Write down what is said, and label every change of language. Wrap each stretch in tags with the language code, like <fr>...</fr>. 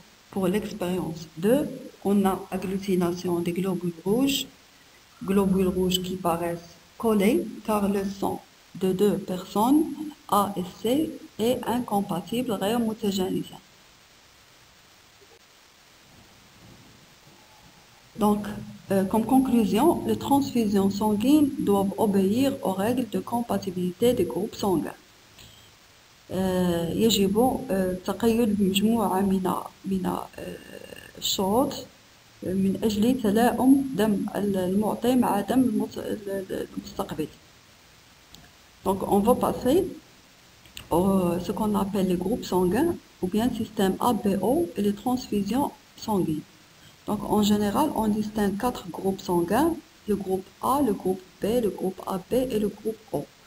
<fr>Pour l'expérience 2, on a agglutination des globules rouges qui paraissent collés, car le sang de deux personnes A et C est incompatible, réhomogénéisant. Donc, comme conclusion, les transfusions sanguines doivent obéir aux règles de compatibilité des groupes sanguins.</fr> <ar>يجب تقيد مجموعة من الشروط من أجل تلاؤم دم المعطي مع دم المستقبل.</ar> <fr>Donc, on va passer à ce qu'on appelle les groupes sanguins ou bien système ABO et les transfusions sanguines. Donc, en général, on distingue quatre groupes sanguins, le groupe A, le groupe B, le groupe AB et le groupe O.</fr>